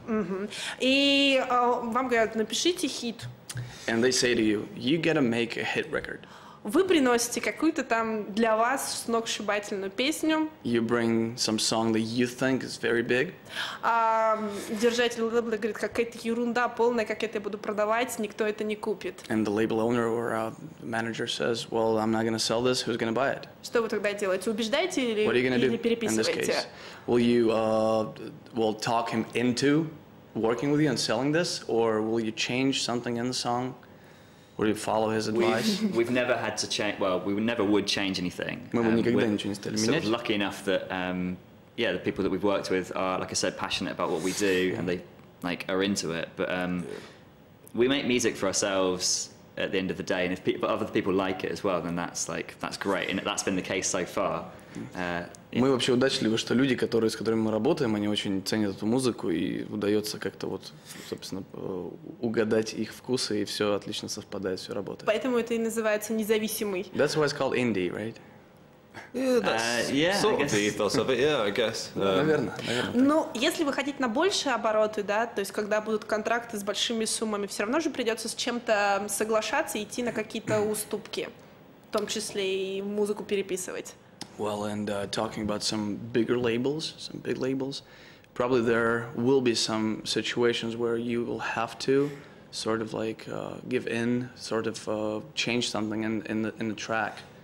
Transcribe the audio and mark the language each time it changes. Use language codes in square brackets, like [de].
[en] And they say to you, you gotta make a hit record. [ru] Вы приносите какую-то там для вас сногсшибательную песню. [en] You bring some song that you think is very big. [ru] Держатель лейбла говорит, какая-то ерунда полная, как это я буду продавать, никто это не купит. [en] And the label owner or manager says, well, I'm not going to sell this, who's going to buy it? [ru] Что вы тогда делаете, убеждаете или переписываете? [en] Will you talk him into working with you and selling this, or will you change something in the song? Would you follow his advice? We've never had to change. Well, we never would change anything. We're sort of lucky enough that, the people that we've worked with are, like I said, passionate about what we do, and they, like, are into it. But we make music for ourselves at the end of the day, and if people, other people like it as well, then that's like that's great, and that's been the case so far. [ru] Мы вообще удачливы, что люди, с которыми мы работаем, они очень ценят эту музыку, и удается как-то вот, собственно, угадать их вкусы, и все отлично совпадает, все работает. Поэтому это и называется независимый. [en] That's why it's called indie, right? Yeah, that's sort of the ethos of it, yeah, I guess. [ru] Наверное. Ну, если выходить на большие обороты, да, то есть когда будут контракты с большими суммами, все равно же придется с чем-то соглашаться и идти на какие-то уступки, в том числе и музыку переписывать. [en] Well, and talking about some big labels, probably there will be some situations where you will have to sort of like give in, sort of change something in the track.